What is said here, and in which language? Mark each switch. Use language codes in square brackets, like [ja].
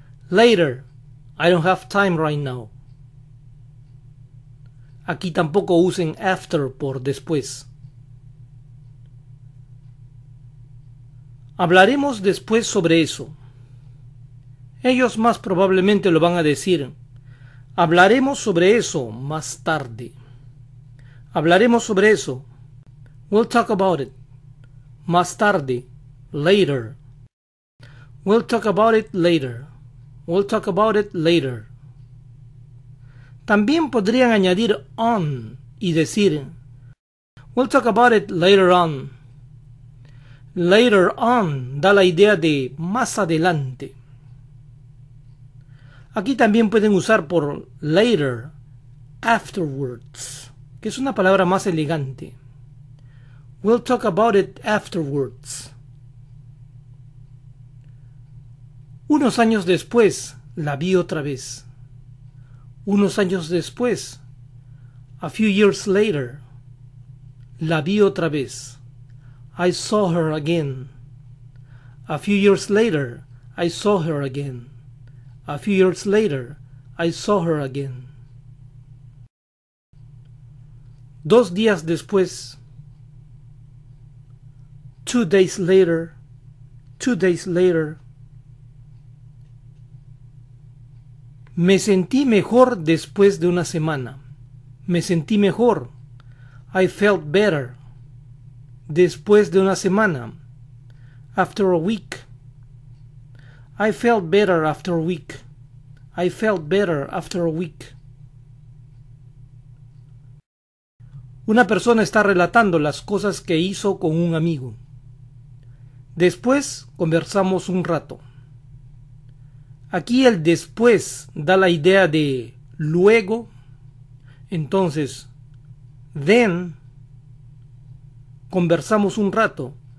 [en] Later, I don't have time right now. [es] Aquí tampoco usen after por después. Hablaremos después sobre eso. Ellos más probablemente lo van a decir. Hablaremos sobre eso más tarde. Hablaremos sobre eso. [en] We'll talk about it. [es] Más tarde. [en] Later. We'll talk about it later. We'll talk about it later. [es] También podrían añadir on y decir [en] we'll talk about it later on. [es] Later on da la idea de más adelante. Aquí también pueden usar por later, afterwards, que es una palabra más elegante. [en] We'll talk about it afterwards. [es] Unos años después, la vi otra vez. Unos años después, [en] a few years later, [es] la vi otra vez. [en] I saw her again. A few years later, I saw her again. A few years later, I saw her again. [es] 2 días después. [en] 2 days later. 2 days later. [es] Me sentí mejor después de una semana. Me sentí mejor. [en] I felt better. [es] Después de una semana. [en] After a week. I felt better after a week. I felt better after a week. [es] Una persona está relatando las cosas que hizo con un amigo. Después conversamos un rato. Aquí el después da la idea de luego. Entonces, then, conversamos un rato.